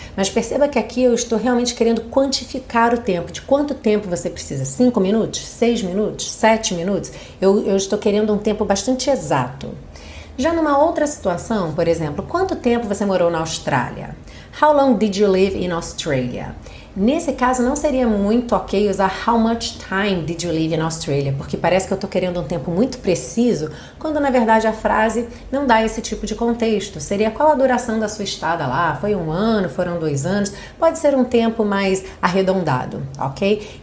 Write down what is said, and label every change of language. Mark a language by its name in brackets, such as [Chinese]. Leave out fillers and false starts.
[Portuguese] Mas perceba que aqui eu estou realmente querendo quantificar o tempo. De quanto tempo você precisa? 5 minutos? 6 minutos? 7 minutos? Eu estou querendo um tempo bastante exato. Já numa outra situação, por exemplo, quanto tempo você morou na Austrália? [English] How long did you live in Australia? [Portuguese] Nesse caso, não seria muito ok usar [English] how much time did you live in Australia, [Portuguese] porque parece que eu estou querendo um tempo muito preciso, quando na verdade a frase não dá esse tipo de contexto. Seria qual a duração da sua estada lá? Foi um ano? Foram 2 anos? Pode ser um tempo mais arredondado, ok?